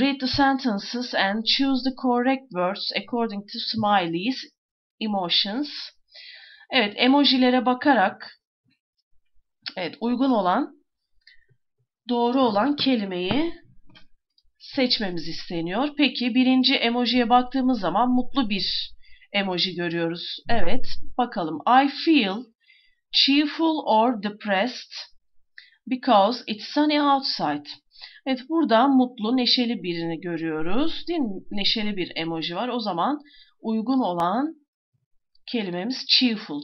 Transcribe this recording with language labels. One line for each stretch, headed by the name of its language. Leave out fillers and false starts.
English: Read the sentences and choose the correct words according to smileys, emotions.
Turkish: Evet, emojilere bakarak, evet, uygun olan, doğru olan kelimeyi seçmemiz isteniyor. Peki, birinci emojiye baktığımız zaman mutlu bir emoji görüyoruz. Evet, bakalım.
English: I feel cheerful or depressed because it's sunny outside.
Turkish: Evet, burada mutlu, neşeli birini görüyoruz. Değil mi? Neşeli bir emoji var. O zaman uygun olan kelimemiz cheerful.